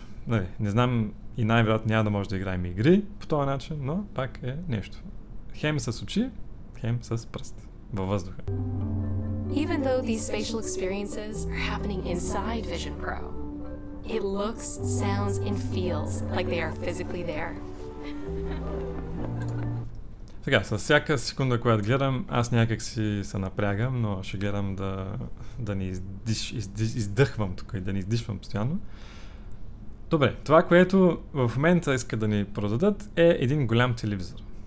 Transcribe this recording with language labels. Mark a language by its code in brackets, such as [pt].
[bg] Нали, не знам и най-вероятно няма да може да играем игри по този начин, но пак е нещо. Хем с очи, хем с пръст. Във въздуха. [en] Even though these spatial experiences are happening inside Vision Pro, it looks, sounds and feels like they are physically there. [bg] Сега, с всяка секунда, която гледам, аз някак си се напрягам, но ще гледам да не издъхвам тук и да не издишвам постоянно. Добре, това, което в момента иска да ни продадат, е един голям телевизор.